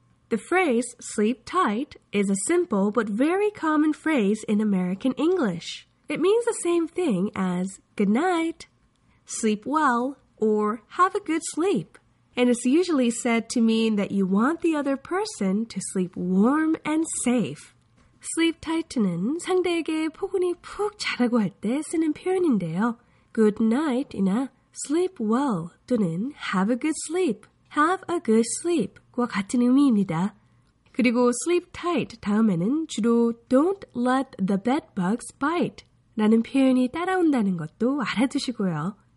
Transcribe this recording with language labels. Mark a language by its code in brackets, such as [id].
[en] The phrase sleep tight is a simple but very common phrase in American English. It means the same thing as good night, sleep well, or have a good sleep. And it's usually said to mean that you want the other person to sleep warm and safe. [ko] Sleep tight는 상대에게 포근히 푹 자라고 할 때 쓰는 표현인데요. [en] Good night이나 Sleep well 또는 have a good sleep. Have a good sleep [ko] 과 같은 의미입니다. 그리고 sleep tight 다음에는 주로 [en] don't let the bed bugs bite [ko] 라는 표현이 따라온다는 것도 알아두시고요.